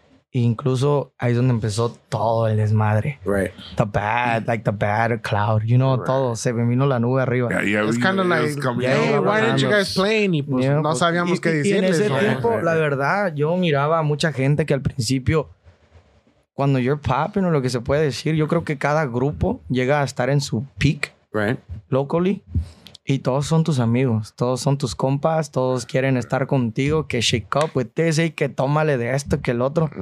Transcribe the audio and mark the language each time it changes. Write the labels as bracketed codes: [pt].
[es] E incluso ahí es donde empezó todo el desmadre. [en] Right. The bad, like the bad cloud, you know, right. [es] Todo. Se me vino la nube arriba. [en] It's kind of like, hey, why didn't you guys play? [es] Y pues no sabíamos qué decirles. Y en ese tiempo, la verdad, yo miraba a mucha gente que al principio, cuando [en] you're popping [es] o lo que se puede decir, yo creo que cada grupo llega a estar en su peak. [en] Right. Locally. [es] Y todos son tus amigos, todos son tus compas, todos quieren estar contigo, que [en] shake up with this, [es] que tómale de esto, que el otro.